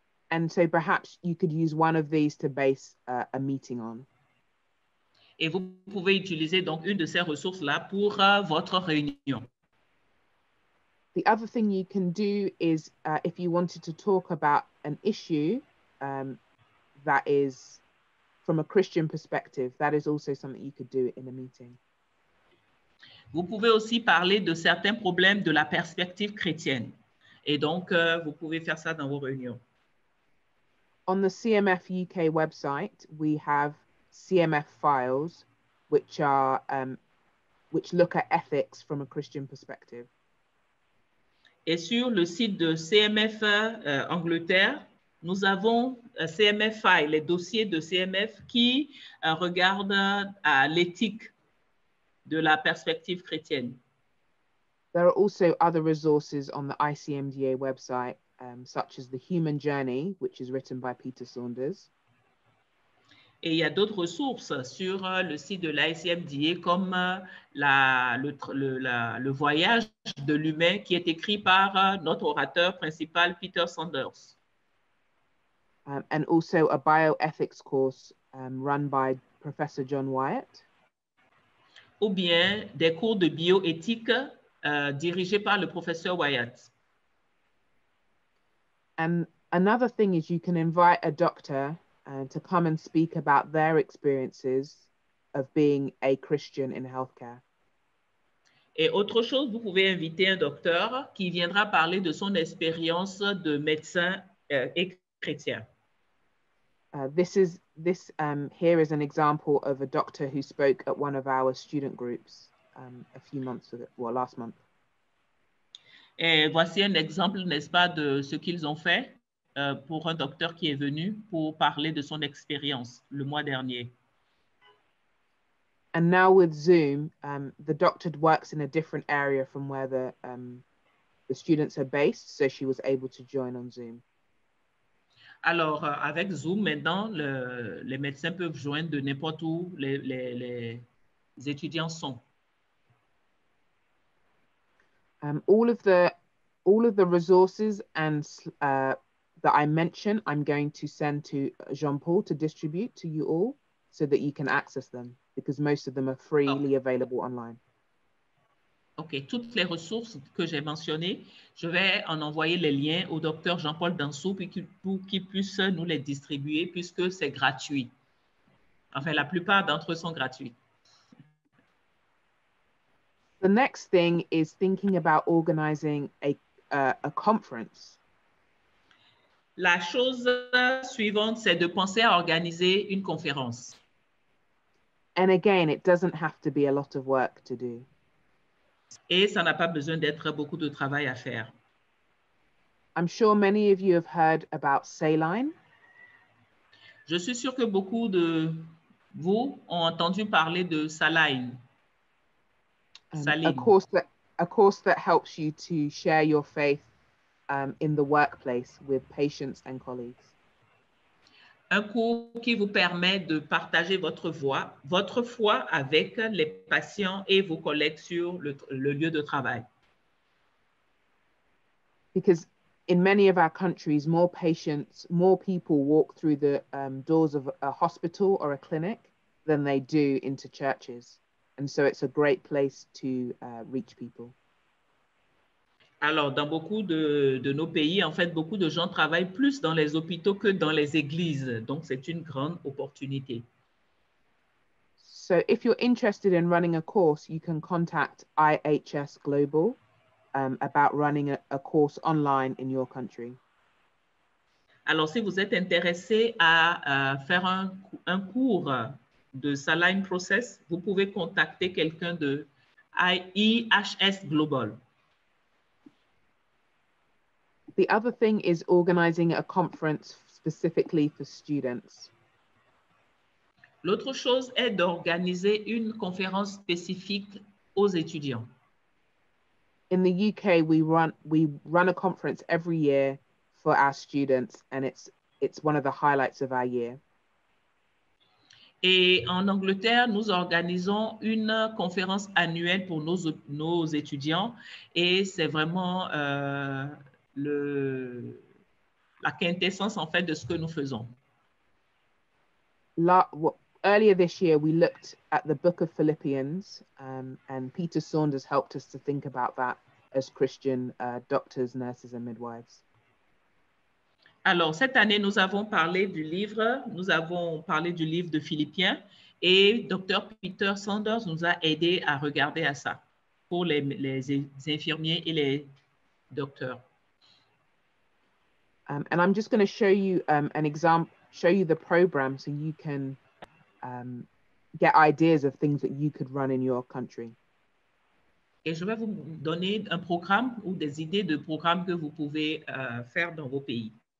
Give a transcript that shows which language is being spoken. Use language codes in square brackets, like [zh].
[en] And so perhaps you could use one of these to base a meeting on. [fr] Et vous pouvez utiliser donc une de ces ressources-là pour votre réunion. [en] The other thing you can do is if you wanted to talk about an issue that is from a Christian perspective, that is also something you could do in a meeting. [fr] Vous pouvez aussi parler de certains problèmes de la perspective chrétienne. Et donc, vous pouvez faire ça dans vos réunions. [en] On the CMF UK website, we have CMF files, which are which look at ethics from a Christian perspective. [fr] Et sur le site de CMF Angleterre, nous avons CMF files, les dossiers de CMF qui regardent à l'éthique de la perspective chrétienne. [en] There are also other resources on the ICMDA website. Such as The Human Journey, which is written by Peter Saunders. [fr] Et il y a d'autres ressources sur le site de l'ICMDA comme le voyage de l'humain qui est écrit par notre orateur principal, Peter Saunders. [en] And also a bioethics course run by Professor John Wyatt. [fr] Ou bien des cours de bioéthique dirigés par le professeur Wyatt. [en] And another thing is you can invite a doctor to come and speak about their experiences of being a Christian in healthcare. [fr] Et autre chose, vous pouvez inviter un docteur qui viendra parler de son expérience de médecin et chrétien. [en] Here is an example of a doctor who spoke at one of our student groups last month. [fr] Et voici un exemple, n'est-ce pas, de ce qu'ils ont fait pour un docteur qui est venu pour parler de son expérience le mois dernier. [en] And now with Zoom, the doctor works in a different area from where the students are based, so she was able to join on Zoom. [fr] Alors, avec Zoom, maintenant, les médecins peuvent joindre de n'importe où les étudiants sont. [en] All of the resources and that I mentioned, I'm going to send to Jean-Paul to distribute to you all so that you can access them because most of them are freely available online. [fr] Okay, toutes les ressources que j'ai mentionnées, je vais en envoyer les liens au docteur Jean-Paul Dansou pour qu'il puisse nous les distribuer puisque c'est gratuit. Enfin, la plupart d'entre eux sont gratuits. [en] The next thing is thinking about organizing a conference. [fr] La chose suivante, c'est de penser à organiser une conférence. [en] And again, it doesn't have to be a lot of work to do. [fr] Et ça n'a pas besoin d'être beaucoup de travail à faire. [en] I'm sure many of you have heard about saline. [fr] Je suis sûr que beaucoup de vous ont entendu parler de saline. Saline. [en] A course that helps you to share your faith in the workplace with patients and colleagues. [fr] Un cours qui vous permet de partager votre foi avec les patients et vos collègues sur le lieu de travail. [en] Because in many of our countries, more patients, more people walk through the doors of a hospital or a clinic than they do into churches. And so it's a great place to reach people. [fr] Alors, dans beaucoup de nos pays, en fait, beaucoup de gens travaillent plus dans les hôpitaux que dans les églises. Donc, c'est une grande opportunité. [en] So, if you're interested in running a course, you can contact IHS Global about running a course online in your country. [fr] Alors, si vous êtes intéressé à faire un cours de saline process, vous pouvez contacter quelqu'un de IHS Global. [en] The other thing is organizing a conference specifically for students. [fr] L'autre chose est d'organiser une conférence spécifique aux étudiants. [en] In the UK, we run a conference every year for our students, and it's one of the highlights of our year. [fr] Et en Angleterre, nous organisons une conférence annuelle pour nos étudiants, et c'est vraiment la quintessence en fait de ce que nous faisons. [en] Earlier this year, we looked at the book of Philippians, and Peter Saunders helped us to think about that as Christian doctors, nurses, and midwives. [fr] Alors cette année, nous avons parlé du livre de Philippiens, et Dr. Peter Saunders nous a aidé à regarder à ça pour les infirmiers et les docteurs. [en] And I'm just going to show you an example, show you the program so you can get ideas of things that you could run in your country. [fr] Et je vais vous donner un programme ou des idées de programmes que vous pouvez faire dans vos pays.